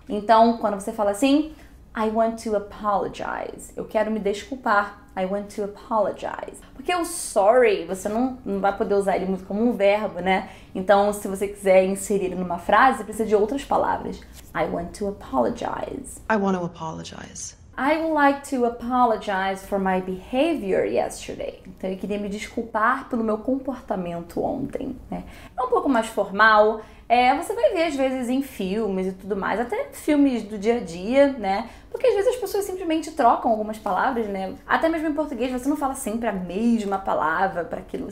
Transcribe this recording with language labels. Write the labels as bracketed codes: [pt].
[pt] Então, quando você fala assim, [en] I want to apologize. [pt] Eu quero me desculpar. [en] I want to apologize. [pt] Porque o sorry, você não vai poder usar ele muito como um verbo, né? Então, se você quiser inserir ele numa frase, precisa de outras palavras. [en] I want to apologize. I want to apologize. I would like to apologize for my behavior yesterday. [pt] Então, eu queria me desculpar pelo meu comportamento ontem, né? É um pouco mais formal. É, você vai ver, às vezes, em filmes e tudo mais, até filmes do dia a dia, né? Porque, às vezes, as pessoas simplesmente trocam algumas palavras, né? Até mesmo em português, você não fala sempre a mesma palavra para aquilo.